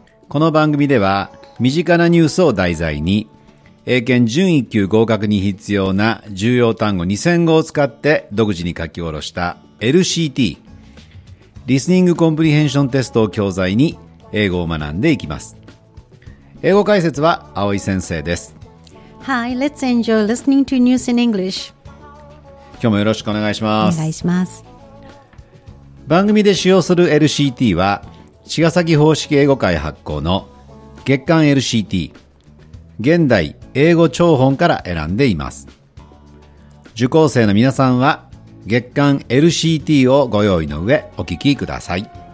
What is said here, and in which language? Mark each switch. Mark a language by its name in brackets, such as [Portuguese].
[Japanese] この番組では身近なニュースを題材に、英検準1級合格に必要な重要単語2000語を使って独自に書き下ろした LCT リスニングコンプリヘンションテストを教材に英語を学んでいきます。英語解説は青井先生です。 [English] Hi, let's enjoy listening to news in English. [Japanese] 今日もよろしくお願いします。お願いします。番組で使用する LCT は茅ヶ崎方式英語会発行の月刊 LCT 現代英語聴本から選んでいます。受講生の皆さんは月刊 LCT をご用意の上お聞きください。